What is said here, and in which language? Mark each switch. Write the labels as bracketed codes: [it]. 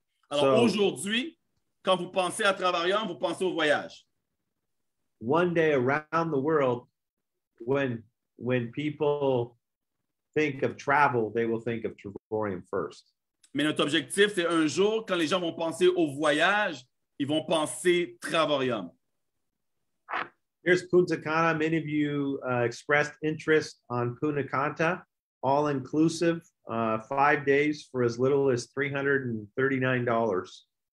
[fr] Alors, so, aujourd'hui, quand vous pensez à Travarium, vous pensez au voyage. [en] One day around the world, when people think of travel, they will think of Travarium first. [fr] Mais notre objectif, c'est un jour, quand les gens vont penser au voyage, ils vont penser Travarium. [en] Here's Punta Cana. Many of you expressed interest on Punta Cana, all-inclusive, 5 days for as little as $339.